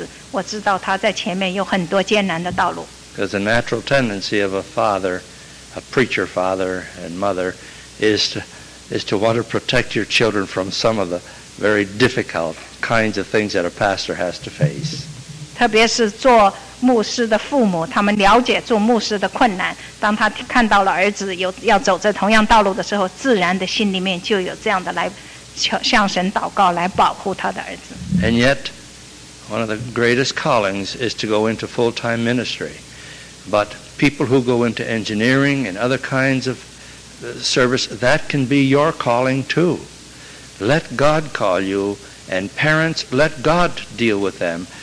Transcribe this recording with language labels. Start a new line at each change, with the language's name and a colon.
Chinese: 那我听到了以后说好啊，这实在是好，我希望神祝福你。当我从他房间里面出来的时候，我向神祷告，我说神啊，你要保护我的儿子，我知道他在前面有很多艰难的道路。
English: Because the natural tendency of a father, a preacher father and mother, is to want to protect your children from some of the very difficult kinds of things that a pastor has to face.
Chinese: 特别是做牧师的父母，他们了解做牧师的困难。当他看到了儿子有要走这同样道路的时候，自然的心里面就有这样的来向神祷告，来保护他的儿子。
English: And yet, one of the greatest callings is to go into full-time ministry. But people who go into engineering and other kinds of service, that can be your calling too. Let God call you, and parents, let God deal with them.